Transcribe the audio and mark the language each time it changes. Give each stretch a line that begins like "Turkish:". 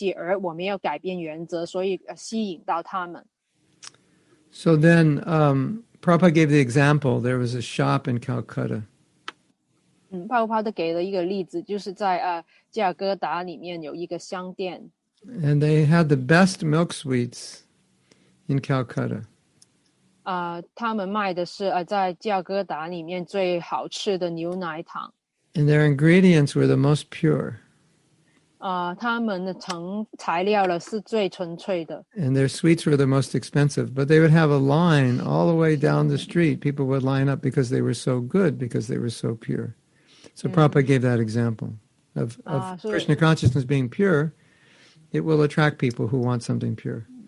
Chinese: 那是同时间呢，对于这点呢，帕布帕德也说，这么多人来到Krishna这里休息，是因为他们想要一些纯粹的东西，而我没有改变原则，所以吸引到他们。
English: So then, Prabhupada gave the example. There was a shop in Calcutta.
Chinese: 帕布帕德给了一个例子，就是在加尔各答里面有一个商店。
English: And they had the best milk sweets in Calcutta.
Chinese: 他们卖的是在加尔各答里面最好吃的牛奶糖。
English: And their ingredients were the most pure.
Chinese: 他们的材料是最纯粹的。
English: And their sweets were the most expensive. But they would have a line all the way down the street. People would line up because they were so good, because they were so pure. So Prabhupada gave that example of Krishna consciousness being pure. It will attract people who want something pure.